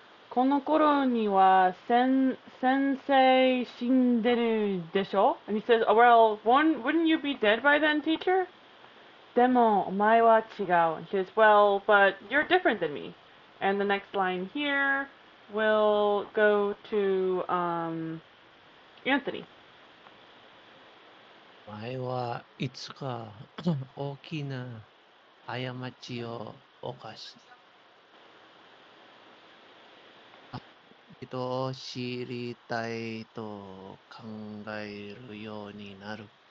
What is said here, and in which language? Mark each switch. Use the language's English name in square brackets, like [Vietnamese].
[Japanese] この頃には先生死んでるでしょ? [English] And he says, oh, well, wouldn't you be dead by then, teacher? [Japanese] でもお前は違う. [English] And she says, well, but you're different than me. And the next line here will go to Anthony. [Japanese] お前はいつか大きな過ちを犯した。人を知りたいと考えるようになる。